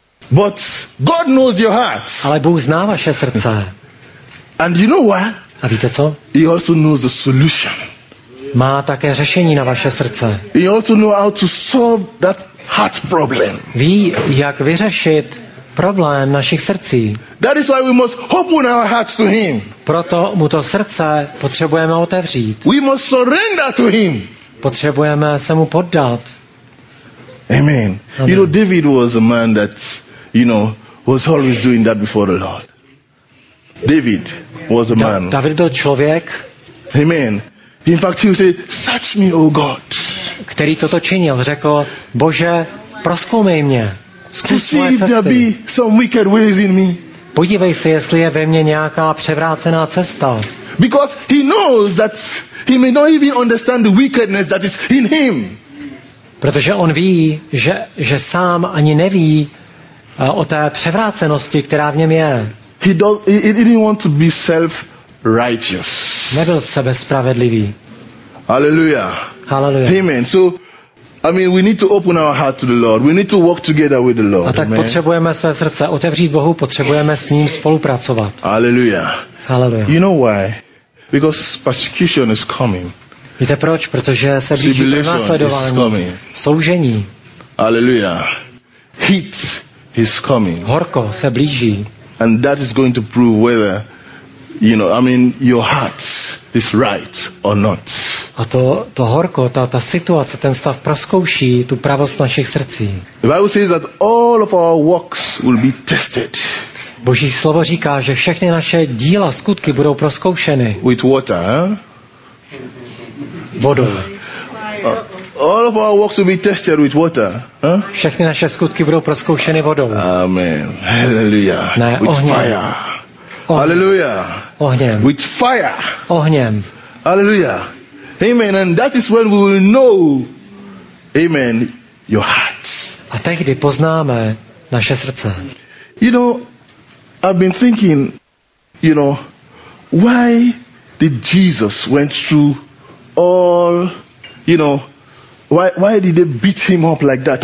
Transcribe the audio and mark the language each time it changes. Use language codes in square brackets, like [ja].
[en] But God knows your heart. [cs] Ale Bůh zná vaše srdce. [en] And you know what? [cs] A víte co? [en] He also knows the solution. [cs] Má také řešení na vaše srdce. [en] He also knows how to solve that heart problem. [cs] Ví, jak vyřešit problém našich srdcí. [en] That is why we must open our hearts to him. [cs] Proto mu to srdce potřebujeme otevřít. [en] We must surrender to him. [cs] Potřebujeme se mu poddat. Amen. Amen. [en] You know, David was a man that, you know, was always doing that before the Lord. David was a man. [cs] David byl člověk. Amen. [en] In fact, he said, "Search me, O God." [cs] Který toto činil, řekl: Bože, prozkoumej mě. Zkus moje cesty. [en] See if there be some wicked ways in me. [cs] Podívej se, jestli je ve mně nějaká převrácená cesta. [en] Because he knows that he may not even understand the wickedness that is in him. [cs] Protože on ví, že sám ani neví o té převrácenosti, která v něm je. [en] He didn't want to be self-righteous. [cs] Nebyl sebe spravedlivý. Hallelujah. Hallelujah. Amen. [en] So, I mean, we need to open our heart to the Lord. We need to walk together with the Lord. [cs] A tak amen. Potřebujeme své srdce otevřít Bohu, potřebujeme s ním spolupracovat. Hallelujah. Hallelujah. [en] You know why? Because persecution is coming. [cs] Víte proč? Protože se blíží pronásledování. Soužení. [en] Hallelujah. Heat is coming. [cs] Horko se blíží. [en] And that is going to prove whether, you know, I mean, your heart is right or not. [cs] A to horko, ta situace, ten stav prozkouší tu pravost našich srdcí. [en] The Bible says that all of our works will be tested. [cs] Boží slovo říká, že všechny naše díla, skutky budou prozkoušeny. [en] With water, [cs] Vodou. [en] All of our works will be tested with water. [cs] Všechny naše skutky budou prozkoušeny vodou. Amen. Hallelujah. Ne, [en] with [cs] ohněm. [en] Fire. Hallelujah. [cs] Ohněm. [en] With fire. [cs] Ohněm. Hallelujah. Amen. [en] And that is when we will know, amen, your heart. [cs] A tehdy poznáme naše srdce. [en] You know, I've been thinking, you know, why did Jesus went through all, you know, why did they beat him up like that?